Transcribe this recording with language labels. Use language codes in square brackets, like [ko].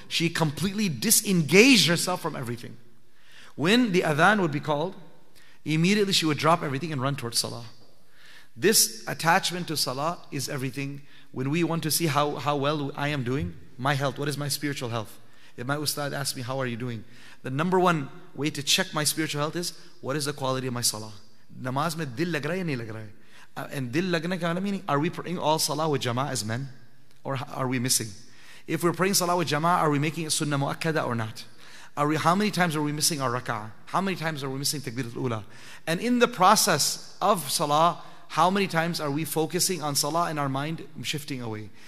[en] She completely disengaged herself from everything. When the adhan would be called, immediately she would drop everything and run towards salah. This attachment to salah is everything. When we want to see how well I am doing, my health, what is my spiritual health? If my ustad asks me, how are you doing? The number one way to check my spiritual health is, what is the quality of my salah? [ur] نماز میں دل لگ رہا ہے یا نہیں لگ رہا ہے? [en] And [ur] dil lagna ka mana [en] meaning, are we praying all salah with jama'ah as men? Or are we missing? If we're praying salah with jama'ah, are we making it sunnah mu'akkada or not? How many times are we missing our raka'ah? How many times are we missing takbirat al-ula? And in the process of salah, how many times are we focusing on salah and our mind shifting away?